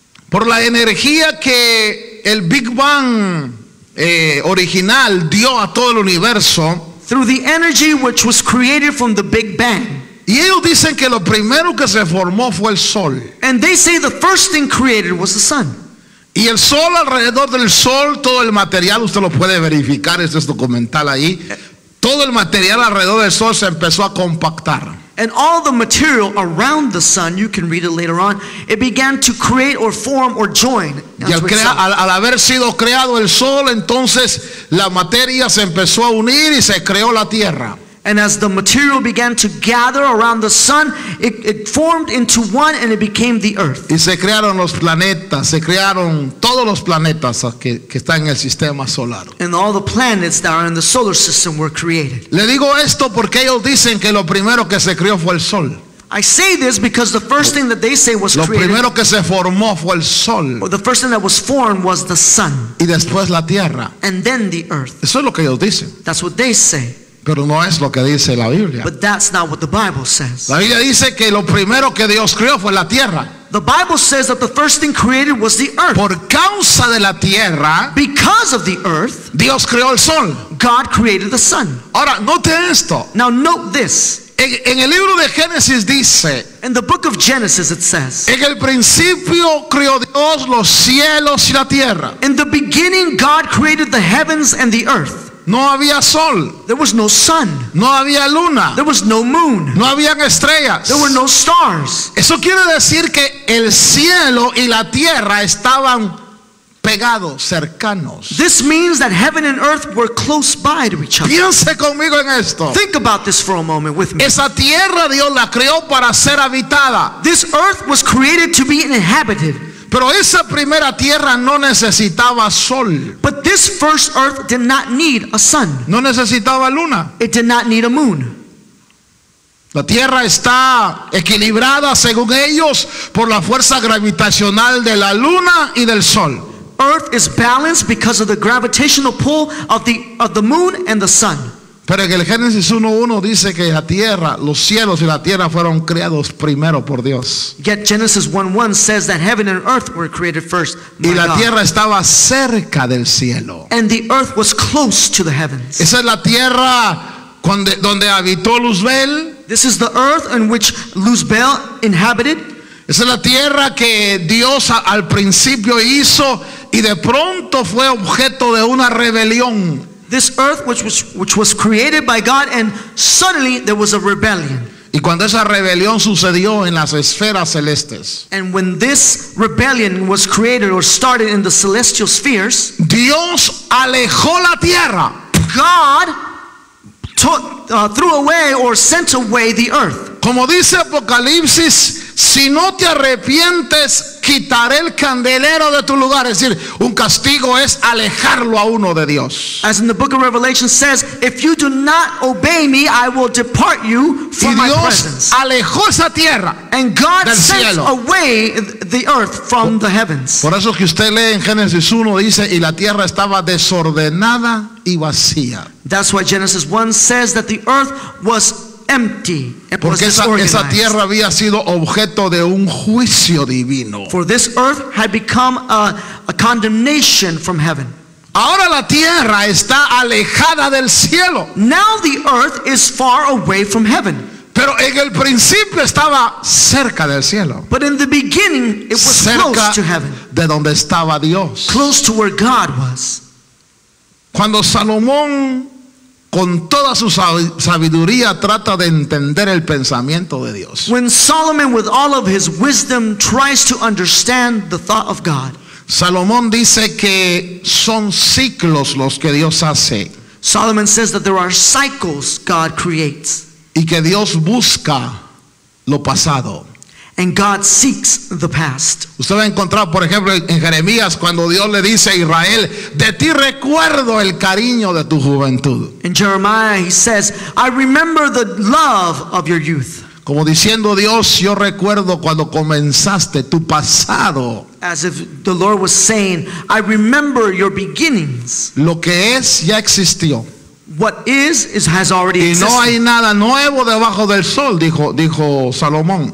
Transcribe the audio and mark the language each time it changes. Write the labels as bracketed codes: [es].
[es] por la energía que el Big Bang original dio a todo el universo, [en] through the energy which was created from the Big Bang. [es] Y ellos dicen que lo primero que se formó fue el sol. [en] And they say the first thing created was the sun. [es] Y el sol, alrededor del sol, todo el material, usted lo puede verificar, este es documental ahí. Todo el material alrededor del sol se empezó a compactar. [en] And all the material around the sun, you can read it later on, it began to create or form or join. [es] Y al haber sido creado el sol, entonces la materia se empezó a unir y se creó la tierra. [en] And as the material began to gather around the sun, it formed into one and it became the earth. [es] Y se crearon los planetas, se crearon todos los planetas que están en el sistema solar. [en] And all the planets that are in the solar system were created. [es] Le digo esto porque ellos dicen que lo primero que se creó fue el sol. [en] I say this because the first thing that they say was created. [es] Lo primero que se formó fue el sol. [en] Or the first thing that was formed was the sun. [es] Y después la tierra. [en] And then the earth. [es] Eso es lo que ellos dicen. [en] That's what they say. [es] Pero no es lo que dice la Biblia. [en] But that's not what the Bible says. [es] La Biblia dice que lo primero que Dios creó fue la tierra. [en] The Bible says that the first thing created was the earth. [es] Por causa de la tierra, [en] because of the earth, [es] Dios creó el sol. [en] God created the sun. [es] Ahora, note esto. [en] Now note this. [es] En el libro de Génesis dice, [en] in the book of Genesis it says, [es] en el principio creó Dios los cielos y la tierra. [en] In the beginning God created the heavens and the earth. [es] No había sol. [en] There was no sun. [es] No había luna. [en] There was no moon. [es] No habían estrellas. [en] There were no stars. [es] Eso quiere decir que el cielo y la tierra estaban pegados, cercanos. [en] This means that heaven and earth were close by to each other. [es] Piense conmigo en esto. [en] Think about this for a moment with me. [es] Esa tierra Dios la creó para ser habitada. [en] This earth was created to be inhabited. [es] Pero esa primera tierra no necesitaba sol. [en] But this first earth did not need a sun. [es] No necesitaba luna. [en] It did not need a moon. [es] La tierra está equilibrada según ellos por la fuerza gravitacional de la luna y del sol. [en] Earth is balanced because of the gravitational pull of the moon and the sun. [es] Pero en el Génesis 1:1 dice que la tierra, los cielos y la tierra fueron creados primero por Dios. [en] Yet Genesis 1:1 says that heaven and earth were created first by God. [es] Y la tierra estaba cerca del cielo. [en] And the earth was close to the heavens. [es] Esa es la tierra donde habitó Luzbel. [en] This is the earth in which Luzbel inhabited. [es] Esa es la tierra que Dios al principio hizo y de pronto fue objeto de una rebelión. [en] This earth which was created by God, and suddenly there was a rebellion. [es] Y cuando esa rebelión sucedió en las esferas celestes, [en] and when this rebellion was created or started in the celestial spheres, [es] Dios alejó la tierra. [en] God threw away or sent away the earth. [es] Como dice Apocalipsis, si no te arrepientes, quitaré el candelero de tu lugar. Es decir, un castigo es alejarlo a uno de Dios. [en] As in the book of Revelation says, if you do not obey me, I will depart you from my presence. [es] Alejó esa tierra. [en] And God sent away the earth from the heavens. [es] Por eso que usted lee en Génesis 1, dice, y la tierra estaba desordenada y vacía. [en] That's why Genesis 1 says that the earth was empty. [es] Porque esa tierra había sido objeto de un juicio divino. [en] For this earth had become a condemnation from heaven. [es] Ahora la tierra está alejada del cielo. [en] Now the earth is far away from heaven. [es] Pero en el principio estaba cerca del cielo. [en] But in the beginning it was [es] cerca [en] close to heaven. [es] De donde estaba Dios. [en] Close to where God was. [es] Cuando Salomón con toda su sabiduría trata de entender el pensamiento de Dios. [en] When Solomon with all of his wisdom tries to understand the thought of God. [es] Salomón dice que son ciclos los que Dios hace. [en] Solomon says that there are cycles God creates. [es] Y que Dios busca lo pasado. [en] And God seeks the past. [es] Usted va a encontrar, por ejemplo, en Jeremías, cuando Dios le dice a Israel, de ti recuerdo el cariño de tu juventud. [en] In Jeremiah, he says, I remember the love of your youth. [es] Como diciendo, Dios, yo recuerdo cuando comenzaste tu pasado. [en] As if the Lord was saying, I remember your beginnings. [es] Lo que es ya existió. [en] What is has already existed. [es] Y no hay nada nuevo debajo del sol, dijo Salomón.